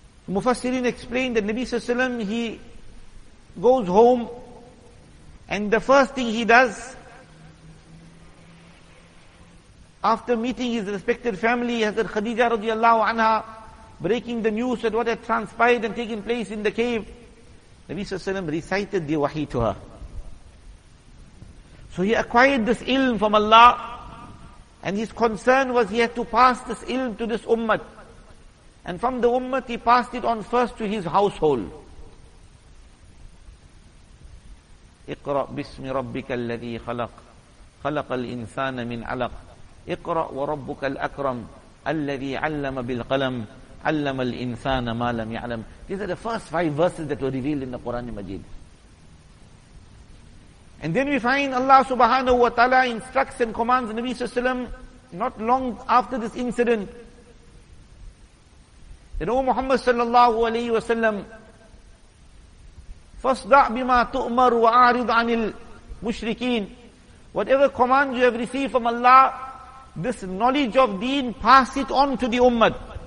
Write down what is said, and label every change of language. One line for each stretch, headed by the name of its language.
English: Mufassirin explained that Nabi sallallahu alayhi wa sallam, he goes home and the first thing he does after meeting his respected family, Hazrat Khadija radiallahu anha, breaking the news of what had transpired and taken place in the cave, Nabi sallallahu alayhi wa sallam recited the wahi to her. So he acquired this ilm from Allah, and his concern was he had to pass this ilm to this ummah. And from the ummah, he passed it on first to his household.
Arabic: اقرأ بسم ربك الذي خلق خلق الإنسان من علق اقرأ وربك الأكرم الذي علم بالقلم علم الإنسان ما لم يعلم.
English: These are the first five verses that were revealed in the Quran Majid. And then we find Allah subhanahu wa ta'ala instructs and commands Nabi sallallahu alayhi wa sallam not long after this incident. Then, O Muhammad sallallahu alayhi wa sallam,
Arabic: فَاصْدَعْ بِمَا تُؤْمَرُ وَأَعْرِضْ عَنِ الْمُشْرِكِينَ
English: Whatever command you have received from Allah, this knowledge of deen, pass it on to the ummah.